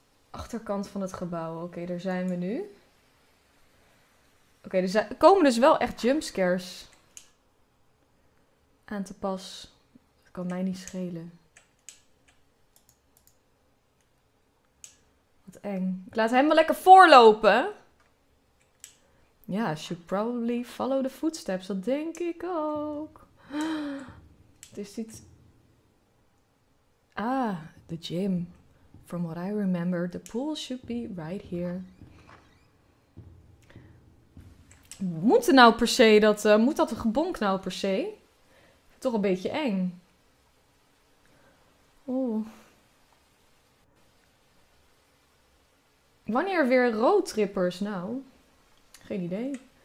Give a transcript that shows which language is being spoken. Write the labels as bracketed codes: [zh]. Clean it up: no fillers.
[nl] Achterkant van het gebouw. Oké, okay, daar zijn we nu. Oké, okay, er komen dus wel echt jumpscares aan te pas. Dat kan mij niet schelen. Wat eng. Ik laat hem wel lekker voorlopen. [en] Ja, yeah, should probably follow the footsteps. [nl] Dat denk ik ook. Het is iets... [en] Ah, the gym. From what I remember, the pool should be right here. [nl] Moet er nou per se dat... moet dat gebonk nou per se? Toch een beetje eng. Oeh. Wanneer weer roadtrippers? Nou, geen idee.